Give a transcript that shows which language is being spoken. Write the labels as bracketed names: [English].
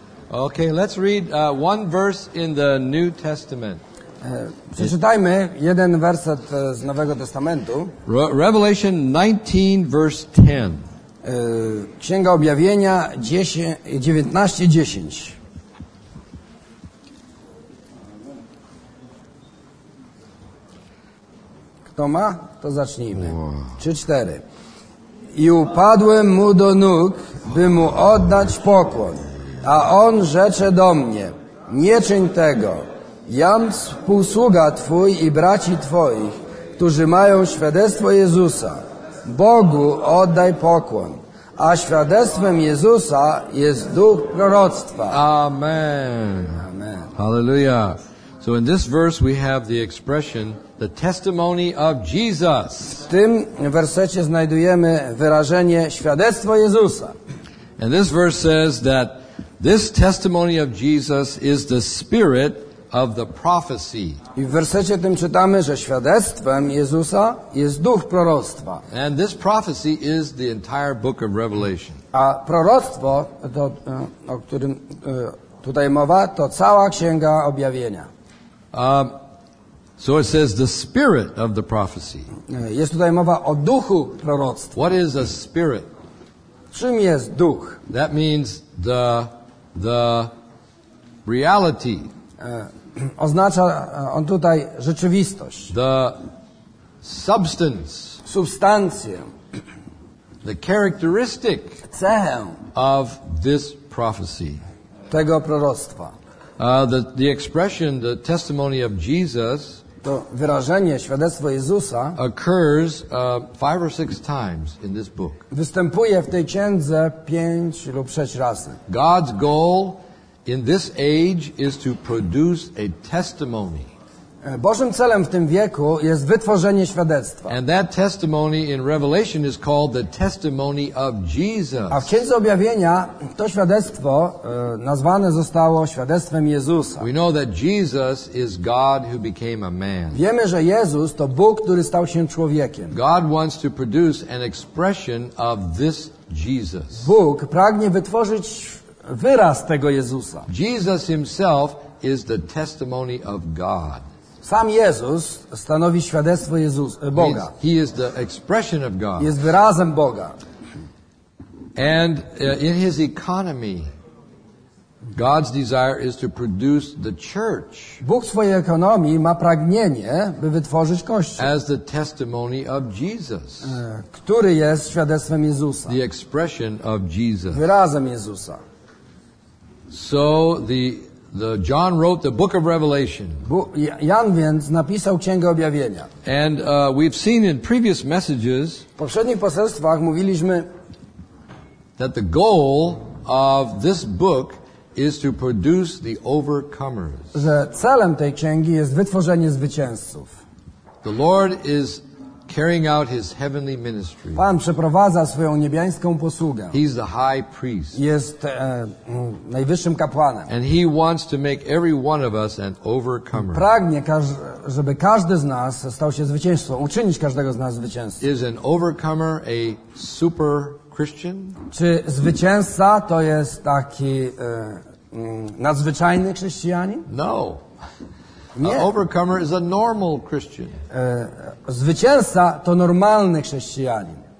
[English] Okay, let's read one verse in the New Testament. [Polish] Przeczytajmy jeden werset z Nowego Testamentu. [English] Revelation 19, verse 10. [Polish] Księga Objawienia 19:10. Kto ma, to zacznijmy. 3-4. I upadłem mu do nóg, by mu oddać pokłon. A on rzecze do mnie: nie czyń tego. Jam współsługa twój i braci twoich, którzy mają świadectwo Jezusa. Bogu oddaj pokłon. A świadectwem Jezusa jest duch proroctwa. Amen. Hallelujah. [English] So in this verse we have the expression the testimony of Jesus. [Polish] W tym wersecie znajdujemy wyrażenie świadectwo Jezusa. [English] And this verse says that this testimony of Jesus is the spirit of the prophecy. [Polish] I w wersecie tym czytamy, że świadectwem Jezusa jest duch proroctwa. [English] And this prophecy is the entire book of Revelation. [Polish] A proroctwo, to, o którym tutaj mowa, to cała księga Objawienia. [English] So it says the spirit of the prophecy. [Polish] Jest tutaj mowa o duchu proroctwa. [English] What is a spirit? [Polish] Czym jest duch? [English] That means the reality. [Polish] Oznacza on tutaj rzeczywistość. [English] The substance. [Polish] Substancję. [English] The characteristic. [Polish] Cechę. [English] Of this prophecy. [Polish] Tego proroctwa. [English] The expression, the testimony of Jesus. [Polish] To wyrażenie świadectwo Jezusa. [English] Occurs five or six times in this book. [Polish] Występuje w tej księdze 5 lub 6 razy. [English] God's goal in this age is to produce a testimony. [Polish] Bożym celem w tym wieku jest wytworzenie świadectwa. [English] And that testimony in Revelation is called the testimony of Jesus. [Polish] A w Księdze Objawienia to świadectwo nazwane zostało świadectwem Jezusa. [English] We know that Jesus is God who became a man. [Polish] Wiemy, że Jezus to Bóg, który stał się człowiekiem. [English] God wants to produce an expression of this Jesus. [Polish] Bóg pragnie wytworzyć wyraz tego Jezusa. [English] Jesus himself is the testimony of God. [Polish] Sam Jezus stanowi świadectwo Boga. [English] He is the expression of God. [Polish] Jest wyrazem Boga. [English] And in his economy, God's desire is to produce the church. [Polish] Bóg w swojej ekonomii ma pragnienie, by wytworzyć Kościół. [English] As the testimony of Jesus. [Polish] Który jest świadectwem Jezusa. [English] The expression of Jesus. [Polish] Wyrazem Jezusa. [English] So the John wrote the book of Revelation. [Polish] Jan więc napisał Księgę Objawienia. [English] And we've seen in previous messages. [Polish] W poprzednich poselstwach mówiliśmy, [English] that the goal of this book is to produce the overcomers. [Polish] Że celem tej księgi jest wytworzenie zwycięzców. [English] The Lord is carrying out his heavenly ministry. [Polish] Pan przeprowadza swoją niebiańską posługę. [English] He's the high priest. [Polish] Jest najwyższym kapłanem. [English] And he wants to make every one of us an overcomer. [Polish] Pragnie, żeby każdy z nas stał się zwycięzcą, uczynić każdego z nas zwycięzcą. [English] Is an overcomer a super Christian? [Polish] Czy zwycięzca to jest taki nadzwyczajny chrześcijanin? [English] No. An overcomer is a normal Christian. [Polish] Zwycięzca to normalny chrześcijanin.